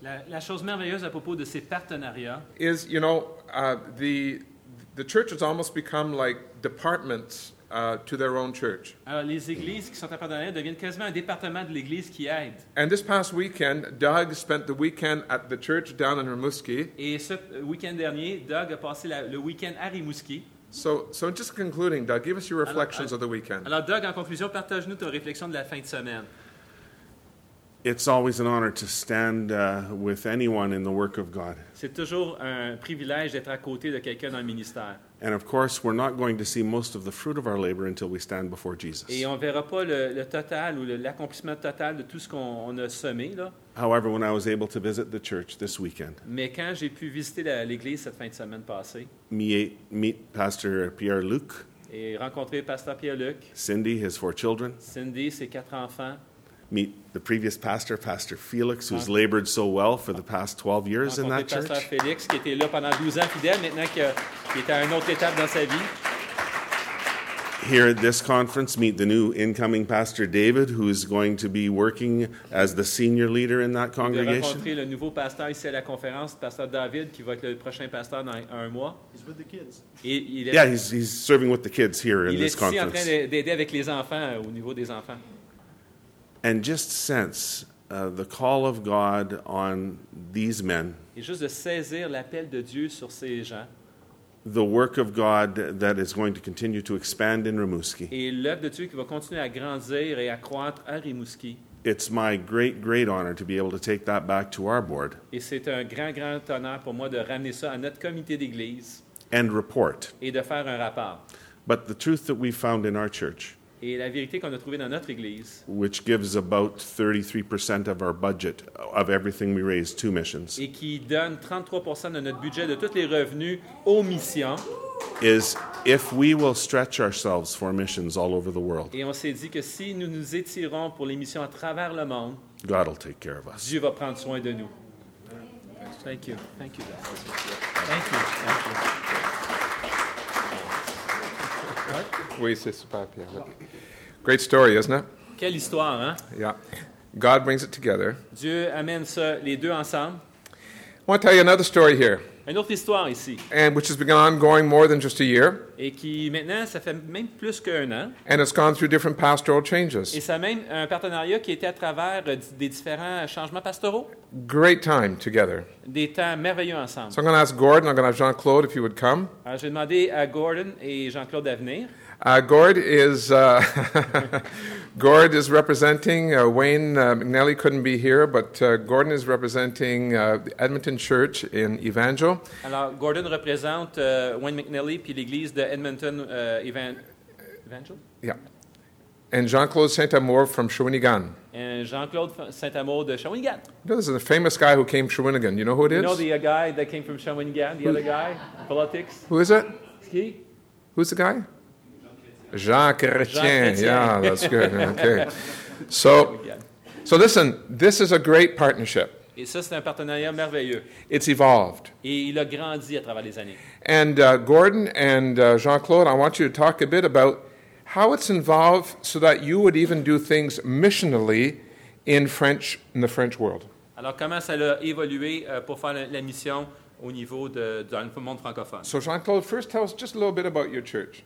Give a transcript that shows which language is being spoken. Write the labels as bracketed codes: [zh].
[fr] La chose merveilleuse à propos de ces partenariats. [en] Is, you know, the church has almost become like departments to their own church. [fr] Alors, les églises qui sont en partenariat deviennent quasiment un département de l'église qui aide. [en] And this past weekend, Doug spent the weekend at the church down in Rimouski. [fr] Et ce week-end dernier, Doug a passé le week-end à Rimouski. [en] So just concluding, Doug, give us your reflections of the weekend. [fr] Alors, Doug, en conclusion, partage-nous tes réflexions de la fin de semaine. [en] It's always an honor to stand with anyone in the work of God. [fr] C'est toujours un privilège d'être à côté de quelqu'un dans le ministère. [en] And of course, we're not going to see most of the fruit of our labor until we stand before Jesus. [fr] Et on verra pas le total ou l'accomplissement total de tout ce qu'on a semé là. [en] However, when I was able to visit the church this weekend. [fr] Mais quand j'ai pu visiter l'église cette fin de semaine passée. [en] Meet Pastor Pierre-Luc. [fr] Et rencontrer Pasteur Pierre-Luc. [en] Cindy, his four children. [fr] Cindy, ses quatre enfants. [en] Meet the previous pastor, Pastor Felix, who's labored so well for the past 12 years in that church. [fr] Pasteur Félix, qui était là pendant 12 ans fidèle, maintenant qu'il est à une autre étape dans sa vie. [en] Here at this conference, meet the new incoming pastor, David, who is going to be working as the senior leader in that congregation. [fr] De rencontrer le nouveau pasteur ici à la conférence, Pasteur David, qui va être le prochain pasteur dans un mois. [en] He's with the kids. He's serving with the kids here in this conference. [fr] Il est ici en train d'aider avec les enfants, au niveau des enfants. [en] And just sense the call of God on these men. [fr] Et juste de saisir l'appel de Dieu sur ces gens. [en] The work of God that is going to continue to expand in Rimouski. [fr] Et l'œuvre de Dieu qui va continuer à grandir et à croître à Rimouski. [en] It's my great, great honor to be able to take that back to our board. [fr] Et c'est un grand, grand honneur pour moi de ramener ça à notre comité d'église. [en] And report. [fr] Et de faire un rapport. [en] But the truth that we found in our church. [fr] Et la vérité qu'on a trouvée dans notre église, [en] which gives about 33% of our budget of everything we raise to missions, [fr] et qui donne 33% de notre budget de tous les revenus aux missions, [en] is if we will stretch ourselves for missions all over the world. [fr] Et on s'est dit que si nous nous étirons pour les missions à travers le monde, [en] God will take care of us. [fr] Dieu va prendre soin de nous. [en] Thank you. Thank you, God. Thank you. Thank you. [fr] Oui, c'est super, [en] Pierre. Great story, isn't it? [fr] Quelle histoire, hein? [en] Yeah. God brings it together. [fr] Dieu amène ça les deux ensemble. [en] I want to tell you another story here. [fr] Une autre histoire ici. [en] And which has been ongoing more than just a year. [fr] Et qui maintenant, ça fait même plus qu'un an. [en] And it's gone through different pastoral changes. [fr] Et ça mène un partenariat qui était à travers des différents changements pastoraux. [en] Great time together. [fr] Des temps merveilleux ensemble. [en] So I'm going to ask Gordon, I'm going to ask Jean-Claude if you would come. [fr] Alors, j'ai demandé à Gordon et Jean-Claude à venir. [en] Gord is representing Wayne McNally couldn't be here, but Gordon is representing the Edmonton Church in Evangel. [fr] Alors, Gordon représente Wayne McNally puis l'église de Edmonton Evangel. [en] Yeah. And Jean-Claude Saint-Amour from Shawinigan. And Jean-Claude Saint-Amour de Shawinigan. You know, this is a famous guy who came from Shawinigan. You know who it is? You know the guy that came from Shawinigan, the other guy, politics. Who is it? He? Who's the guy? Jean Chrétien. Yeah, that's good. Okay. So listen, this is a great partnership. [fr] Et ça, c'est un partenariat merveilleux. [en] It's evolved. [fr] Et il a grandi à travers les années. [en] And Gordon and Jean-Claude, I want you to talk a bit about how it's evolved so that you would even do things missionally in the French world. [fr] Alors, comment ça a évolué pour faire la mission au niveau du monde francophone? [en] So Jean-Claude, first tell us just a little bit about your church.